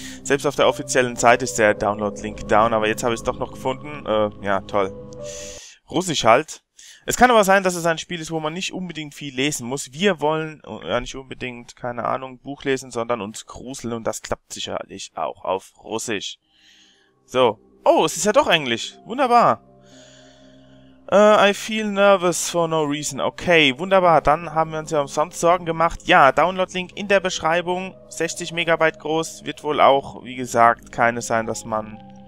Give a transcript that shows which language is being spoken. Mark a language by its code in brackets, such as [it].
[de] Selbst auf der offiziellen Seite ist der Download-Link down, aber jetzt habe ich es doch noch gefunden. Ja, toll. Russisch halt. Es kann aber sein, dass es ein Spiel ist, wo man nicht unbedingt viel lesen muss. Wir wollen ja nicht unbedingt, keine Ahnung, Buch lesen, sondern uns gruseln. Und das klappt sicherlich auch auf Russisch. So. Oh, es ist ja doch Englisch. Wunderbar. [en] I feel nervous for no reason. [de] Okay, wunderbar. Dann haben wir uns ja umsonst Sorgen gemacht. Ja, Download-Link in der Beschreibung. 60 Megabyte groß. Wird wohl auch, wie gesagt, keine sein, dass man...